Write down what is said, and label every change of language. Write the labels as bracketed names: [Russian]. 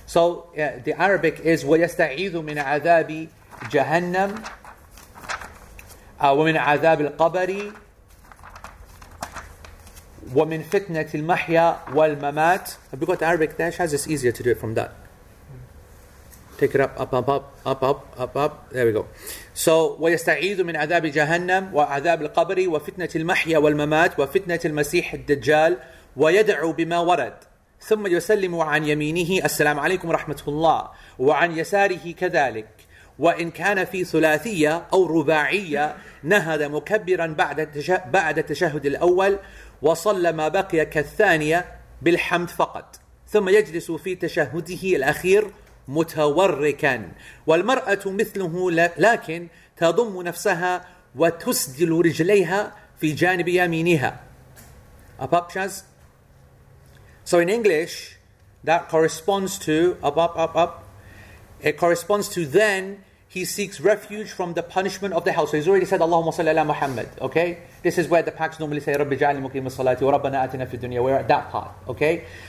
[English] So the Arabic is, [Arabic] وَيَسْتَعِيذُ مِنْ عَذَابِ جَهَنَّمْ وَمِنْ عَذَابِ الْقَبَرِ وَمِنْ فِتْنَةِ الْمَحْيَى وَالْمَمَاتِ. [English] Have we got the Arabic there? Shaz, it's easier to do it from that. Take it up. There we go. [Arabic] So, وَيَسْتَعِيذُ مِنْ عَذَابِ جَهَنَّمْ وَعَذَابِ الْقَبْرِ وَفِتْنَةِ الْمَحْيَى وَالْمَمَاتِ وَفِتْنَةِ الْمَسِيحِ الدَّجَّالِ وَيَدْعُو بِمَا وَرَدِ ثُمَّ يُسَلِّمُ عَنْ يَمِينِهِ السَّلَامُ عَلَيْكُمْ رَحْمَةُ اللَّهِ وَعَنْ يَسَارِهِ كَذَلِكَ وإن كان في ثلاثية أو رباعية نهض مكبرا بعد التشهد الأول وصلى ما بقي كالثانية بالحمد فقط ثم يجلس في تشهده الأخير متوركا والمرأة مثله لكن تضم نفسها وتسدل رجليها في جانب يمينها. [English] So in English that corresponds to up up up up. It corresponds to then he seeks refuge from the punishment of the hell. So he's already said, [Arabic] Allahumma salli ala Muhammad. [English] Okay? This is where the packs normally say, [Arabic] Rabbi ja'alni muqima salati wa rabbana atina fid dunya. [English] We're at that part. Okay?